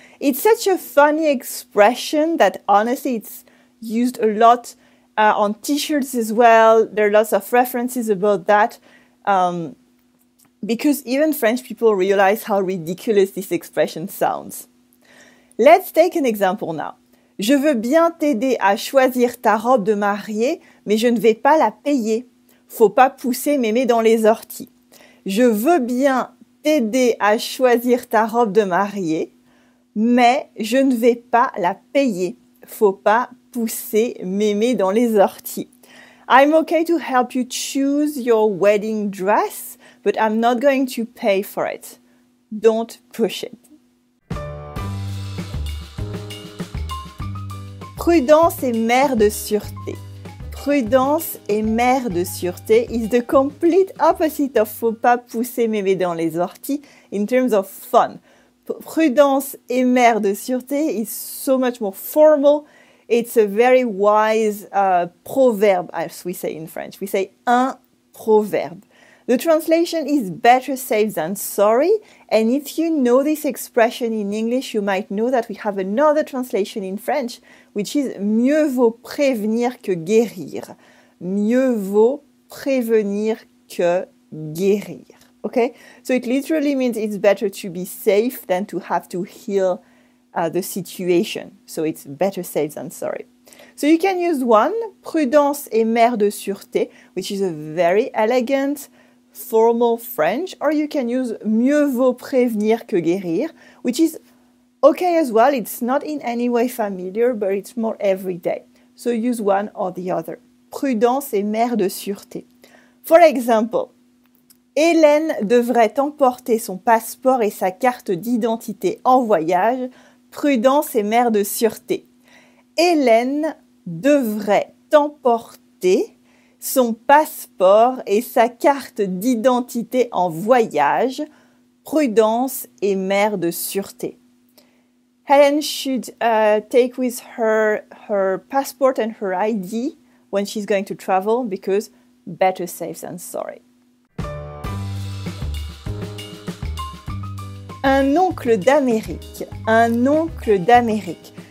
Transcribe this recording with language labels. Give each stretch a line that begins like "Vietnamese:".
English: It's such a funny expression that honestly it's used a lot on t-shirts as well. There are lots of references about that because even French people realize how ridiculous this expression sounds. Let's take an example now.
French: Je veux bien t'aider à choisir ta robe de mariée, mais je ne vais pas la payer. Faut pas pousser mémé dans les orties. Je veux bien t'aider à choisir ta robe de mariée, mais je ne vais pas la payer. Faut pas pousser mémé dans les orties.
English: I'm okay to help you choose your wedding dress, but I'm not going to pay for it. Don't push it.
French: Prudence est mère de sûreté. Prudence est mère de sûreté.
English: It's the complete opposite of
French: faut pas pousser mémé dans les orties
English: in terms of fun.
French: Prudence est mère de sûreté
English: is so much more formal. It's a very wise proverb, as we say in French. We say un proverbe. The translation is better safe than sorry. And if you know this expression in English, you might know that we have another translation in French, which is
French: mieux vaut prévenir que guérir. Mieux vaut prévenir que guérir. Okay?
English: So it literally means it's better to be safe than to have to heal the situation. So it's better safe than sorry. So you can use one,
French: prudence est mère de sûreté,
English: which is a very elegant formal French, or you can use
French: mieux vaut prévenir que guérir,
English: which is okay as well. It's not in any way familiar, but it's more everyday. So use one or the other.
French: Prudence est mère de sûreté.
English: For example,
French: Hélène devrait emporter son passeport et sa carte d'identité en voyage. Prudence est mère de sûreté. Hélène devrait emporter son passeport et sa carte d'identité en voyage. Prudence est mère de sûreté.
English: Helen should take with her passport and her ID when she's going to travel because better safe than sorry.
French: Un oncle d'Amérique. Un oncle d'Amérique.